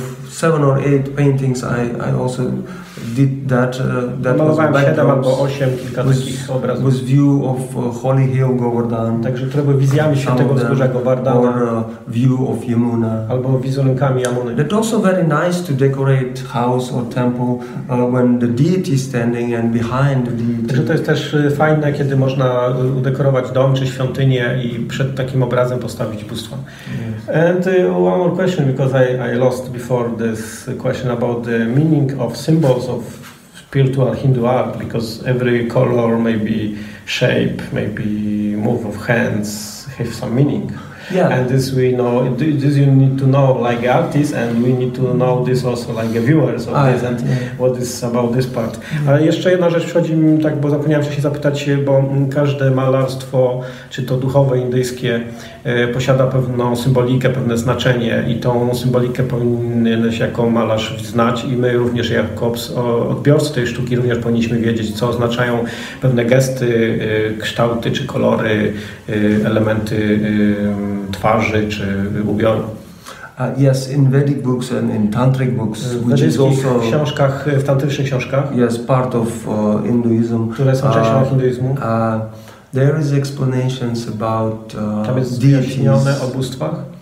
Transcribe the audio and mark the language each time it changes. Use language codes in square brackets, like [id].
[en] Seven or eight paintings I also did that [pl] malowałem was siedem albo osiem kilka takich obrazów. [en] With view of Holy Hill Govardhan. [pl] Także trochę wizjami świętego wzgórza Govardhana. [en] Or view of Yamuna. [pl] Albo wizerunkami Yamuny. [en] That also very nice to decorate house or temple when the deity is standing and behind the deity. [pl] Także to jest też fajne, kiedy można udekorować dom czy świątynię i przed takim obrazem postawić bóstwo. [en] Yes. And one more question, because I lost before this question about the meaning of symbols of spiritual Hindu art, because every color, maybe shape, maybe move of hands have some meaning. Yeah. And this we know, this you need to know like artists, and we need to know this also like viewers of this, and what is about this part. [pl] Ale jeszcze jedna rzecz przychodzi mi, tak, bo zapomniałem wcześniej zapytać się, bo każde malarstwo, czy to duchowe, indyjskie, posiada pewną symbolikę, pewne znaczenie, i tą symbolikę powinieneś jako malarz znać, i my również jako odbiorcy tej sztuki również powinniśmy wiedzieć, co oznaczają pewne gesty, kształty, czy kolory, elementy twarzy czy ubioru. [en] Yes, in Vedic books and in tantric books, which is also [pl] książkach, w tantrycznych książkach, [en] yes, part of Hinduism, [pl] które są częścią hinduizmu. [en] There is explanations about [pl] tam jest wyjaśnione o bóstwach.